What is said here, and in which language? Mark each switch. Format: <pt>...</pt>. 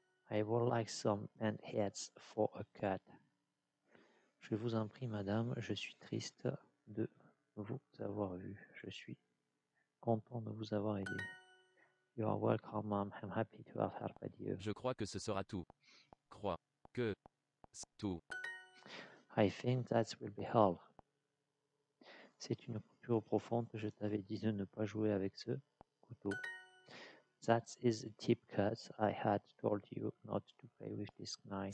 <en>I would like some pinheads for a cut.</en> <fr>Je vous en prie, madame, je suis triste de vous avoir vu. Je suis content de vous avoir aidé.</fr> <en>You are welcome, ma'am. I'm happy to have helped you.</en> <fr>Je crois que ce sera tout. Crois que c'est tout.</fr> <en>I think that will be all.</en> <fr>C'est une coupure profonde. Je t'avais dit de ne pas jouer avec ce couteau.</fr> <en>That is a deep cut. I had told you not to play with this knife.</en>